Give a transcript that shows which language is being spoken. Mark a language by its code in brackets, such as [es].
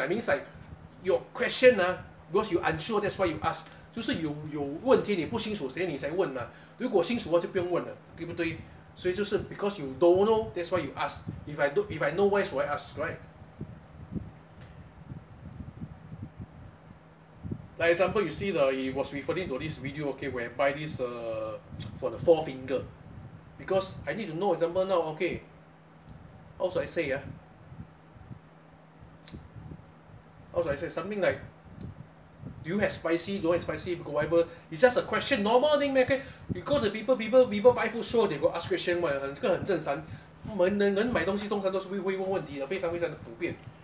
[en] I mean, it's like, your question, because you're unsure, that's why you ask. [zh] 就是有问题你不清楚,所以你才问嘛.如果清楚的话就不用问了,对不对? 所以就是, [en] because you don't know, that's why you ask. If I know, why should I ask, right? Like example, you see the, it was referring to this video, okay, where I buy this for the four finger. Because I need to know, example, now, okay. How should I say, yeah? How should I say, something like, do you have spicy, don't have spicy, because whatever. It's just a question, normal thing, okay? Because the people buy food, sure, they go ask question, [zh] 这个很正常. 人买东西通常都是会问问题的, 非常的普遍.